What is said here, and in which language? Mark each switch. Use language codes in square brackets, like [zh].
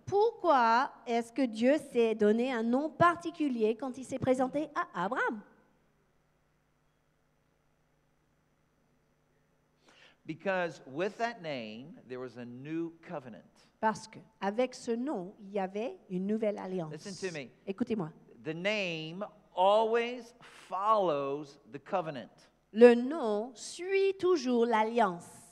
[fr] Pourquoi est-ce que Dieu s'est donné un nom particulier quand il s'est présenté à Abraham? [en] Because with that name, there was a new covenant. [fr] Parce que avec ce nom, il y avait une nouvelle alliance. [en] Listen to me. [fr] Écoutez-moi. [en] The name always follows the covenant. [fr] Le nom suit toujours l'alliance.